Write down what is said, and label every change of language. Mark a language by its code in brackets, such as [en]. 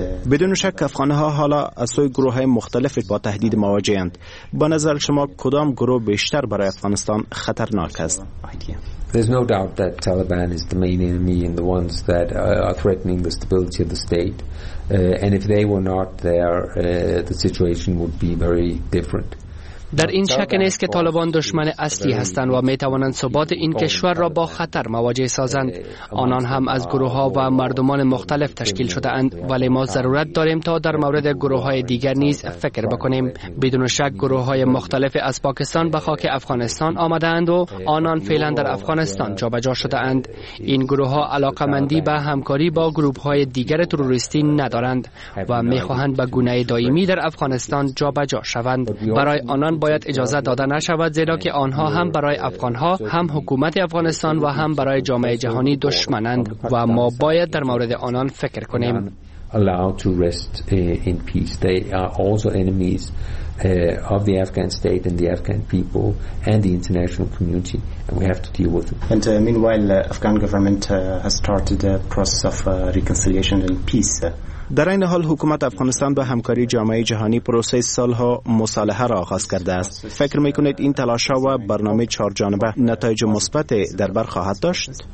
[fa] بدون شک افغان‌ها حالا از سوی گروه‌های مختلف با تهدید مواجهند. به نظر شما کدام گروه بیشتر برای افغانستان خطرناک است؟ [en] There's no doubt that Taliban is the main enemy and the ones that are threatening the stability of the state. And if they were not there, the situation would be very different. [fa] در این شک نیست که طالبان دشمن اصلی هستند و می توانند ثبات این کشور را با خطر مواجه سازند. آنان هم از گروه ها و مردمان مختلف تشکیل شده اند، ولی ما ضرورت داریم تا در مورد گروه های دیگر نیز فکر بکنیم. بدون شک گروه های مختلف از پاکستان به خاک افغانستان آمده اند و آنان فعلا در افغانستان جابجا شده اند. این گروه ها علاقه مندی به همکاری با گروه های دیگر تروریستی ندارند و می خواهند به گونه دائمی در افغانستان جابجا شوند. برای آنان باید اجازه داده نشود، زیرا که آنها هم برای افغانها، هم حکومت افغانستان و هم برای جامعه جهانی دشمنند و ما باید در مورد آنان فکر کنیم. [en] Allow to rest in peace. They are also enemies of the Afghan state and the Afghan people and the international community, and we have to deal with them. And meanwhile, the Afghan government has started a process of reconciliation and peace. [fa] در این حال حکومت افغانستان با همکاری جامعه جهانی پروسه صلح و مصالحه را آغاز کرده است. فکر میکنید این تلاش ها و برنامه چهار جانبه نتایج مثبت در بر خواهد داشت؟